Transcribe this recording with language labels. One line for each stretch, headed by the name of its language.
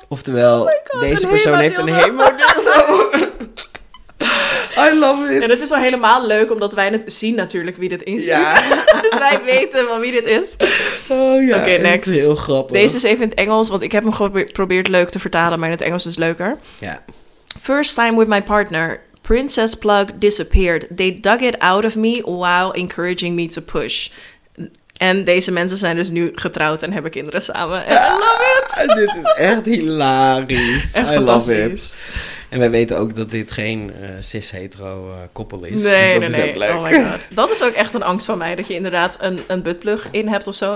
Dutch: Oftewel, deze persoon heeft een HEMA dildo.
English: I love it.
Dutch: En het is wel helemaal leuk, omdat wij zien natuurlijk wie dit is. Ja. Dus wij weten van wie dit is. Oh ja, okay, next. Heel grappig. Deze is even in het Engels, want ik heb hem geprobeerd leuk te vertalen, maar in het Engels is het leuker. Ja.
English: First time with my partner. Princess plug disappeared. They dug it out of me while encouraging me to push.
Dutch: En deze mensen zijn dus nu getrouwd en hebben kinderen samen.
English: I love it.
Dutch: Dit is echt hilarisch. Echt
English: I love it.
Dutch: En wij weten ook dat dit geen cis-hetero koppel is. Nee, dus dat nee, is Leuk.
English: Oh my god.
Dutch: Dat is ook echt een angst van mij. Dat je inderdaad een buttplug in hebt of zo.